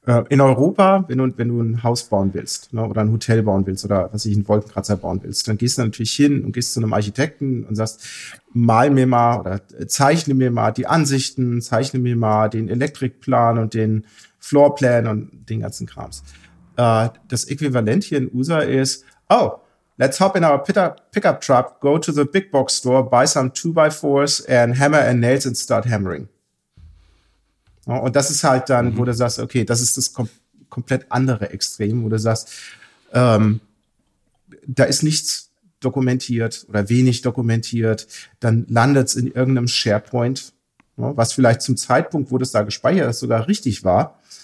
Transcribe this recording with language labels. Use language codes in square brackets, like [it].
[de] In Europa, wenn du ein Haus bauen willst, ne, oder ein Hotel bauen willst oder was ich einen Wolkenkratzer bauen willst, dann gehst du natürlich hin und gehst zu einem Architekten und sagst, mal mir mal oder zeichne mir mal die Ansichten, zeichne mir mal den Elektrikplan und den Floorplan und den ganzen Krams. Das Äquivalent hier in USA ist, [en] oh, let's hop in our pickup truck, go to the big box store, buy some 2x4s and hammer and nails and start hammering. [de] Und das ist halt dann, wo du sagst, okay, das ist das komplett andere Extrem, wo du sagst, da ist nichts dokumentiert oder wenig dokumentiert, dann landet es in irgendeinem SharePoint, ne, was vielleicht zum Zeitpunkt, wo das da gespeichert ist, sogar richtig war.